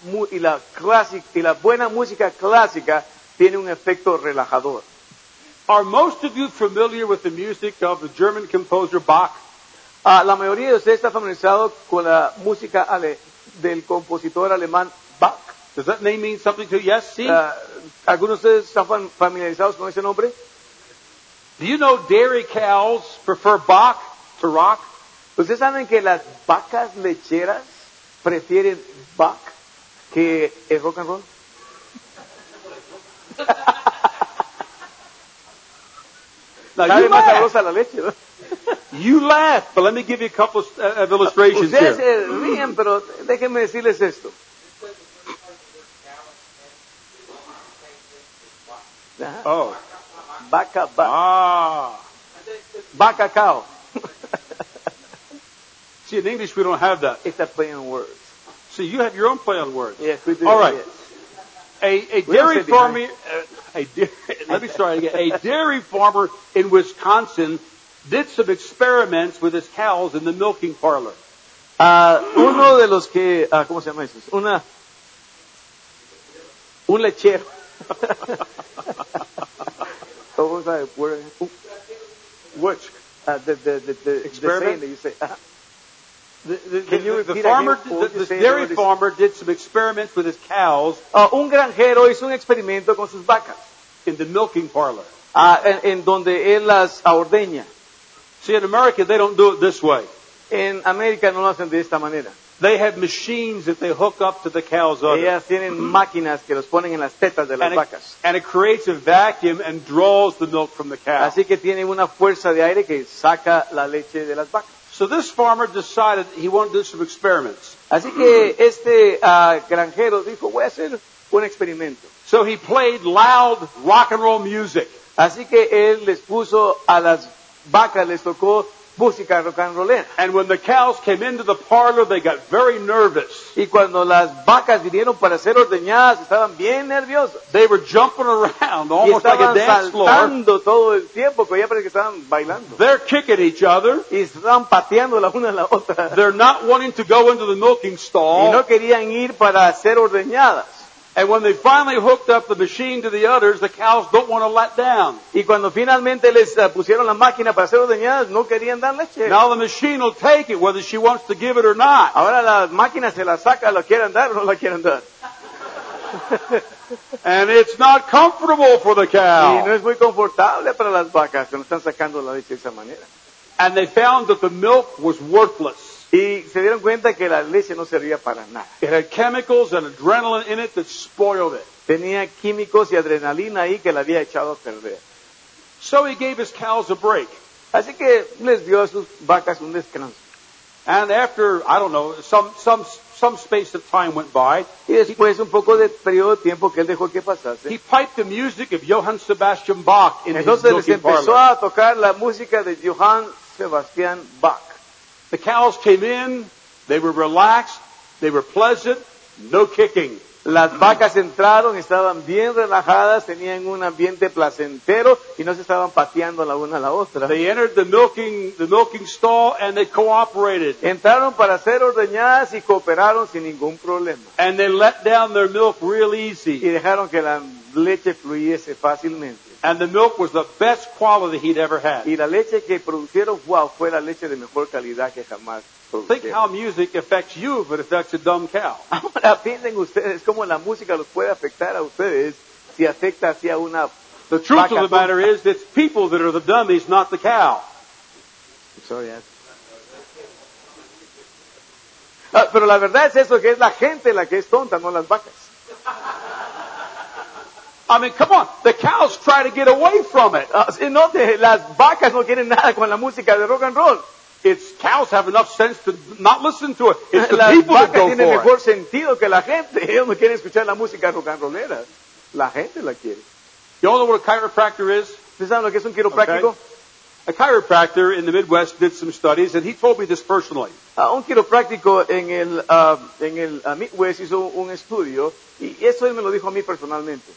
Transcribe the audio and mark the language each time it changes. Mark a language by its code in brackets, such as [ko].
[es] Y la buena música clásica tiene un efecto relajador. [en] Are most of you familiar with the music of the German composer Bach? [es] La mayoría de ustedes está familiarizado con la música del compositor alemán Bach. [en] Does that name mean something to you? Yes, sí. [es] ¿Algunos de ustedes están familiarizados con ese nombre? [en] Do you know dairy cows prefer Bach to rock? [es] ¿Ustedes saben que las vacas lecheras prefieren Bach que el rock and roll? [en] You laugh, but let me give you a couple of illustrations here. [es] Ustedes ríen, pero déjenme decirles esto. Oh. Vaca, vaca. Vaca, cow. [en] See, in English we don't have that. It's a play on words. See, you have your own play on words. Yes, we do. All right. Yes. A dairy farmer in Wisconsin did some experiments with his cows in the milking parlor. [es] Uno de los que, ¿cómo se llama eso? Un lechero. ¿Cómo se llama? [en] Which? The experiment that you say. The dairy farmer did some experiments with his cows. [es] Un granjero hizo un experimento con sus vacas. [en] In the milking parlor. [es] En donde él las ordeña. [en] See, in America, they don't do it this way. [es] En América no lo hacen de esta manera. [en] They have machines that they hook up to the cows. [es] Ellas tienen máquinas que los ponen en las tetas de las vacas. [en] And it creates a vacuum and draws the milk from the cow. [es] Así que tiene una fuerza de aire que saca la leche de las vacas. [en] So this farmer decided he wanted to do some experiments. [es] Así que este granjero dijo, voy a hacer un experimento. [en] So he played loud rock and roll music. [es] Así que él les puso a las vacas, les tocó música rock and roll. [en] And when the cows came into the parlor, they got very nervous. [es] Y cuando las vacas vinieron para ser ordeñadas, estaban bien nerviosas. [en] They were jumping around almost like a dance floor. [es] Y estaban saltando todo el tiempo, porque ya parece que estaban bailando. [en] They're kicking each other. [es] Y estaban pateando la una a la otra. [en] They're not wanting to go into the milking stall. [es] Y no querían ir para ser ordeñadas. [en] And when they finally hooked up the machine to the udders, the cows don't want to let down. [es] Y cuando finalmente les pusieron la máquina para hacer ordeñadas, no querían dar leche. [en] Now the machine will take it, whether she wants to give it or not. [es] Ahora la máquina se la saca, la quieren dar o no la quieren dar. [en] And it's not comfortable for the cow. [es] Y no es muy confortable para las vacas, que no están sacando la leche de esa manera. [en] And they found that the milk was worthless. [es] Y se dieron cuenta que la leche no servía para nada. [en] It had chemicals and adrenaline in it that spoiled it. [es] Tenía químicos y adrenalina ahí que la había echado a perder. [en] So he gave his cows a break. [es] Así que les dio a sus vacas un descanso. [en] And after, I don't know, some space of time went by. [es] Y después un poco de periodo de tiempo que él dejó que pasase. [en] He piped the music of Johann Sebastian Bach in [es] entonces [en] his milking parlor. [es] Entonces empezó a tocar la música de Johann Sebastian Bach. [en] The cows came in, they were relaxed, they were pleasant, no kicking. [es] Las vacas entraron, estaban bien relajadas, tenían un ambiente placentero y no se estaban pateando la una a la otra. [en] They entered the milking stall and they cooperated. [es] Entraron para ser ordeñadas y cooperaron sin ningún problema. [en] And they let down their milk real easy. [es] Y dejaron que la leche fluyese fácilmente. [en] And the milk was the best quality he'd ever had. [es] Y la leche que produjeron, wow, fue la leche de mejor calidad que jamás produjeron. [en] Think how music affects you if it affects a dumb cow. [es] Ahora piensen ustedes cómo la música los puede afectar a ustedes si afecta hacia una vaca. [en] The truth of the matter is it's people that are the dummies, not the cow. Sorry, yes. [es] Pero la verdad es eso, que es la gente la que es tonta, no las vacas. [en] I mean, come on, the cows try to get away from it. [es] Note, las vacas no quieren nada con la música de rock and roll. [en] It's cows have enough sense to not listen to it. It's the [es] las [en] people [es] vacas [en] that go [es] tienen [en] for [es] mejor [en] it. [es] Sentido que la gente. Ellos no quieren escuchar la música rock and rollera. La gente la quiere. [en] You all know what a chiropractor is? [es] ¿Ustedes saben lo que es un quiropráctico? [en] Okay. A chiropractor in the Midwest did some studies, and he told me this personally. [es] Un quiropráctico en el Midwest hizo un estudio. Y eso él me lo dijo a mí personalmente.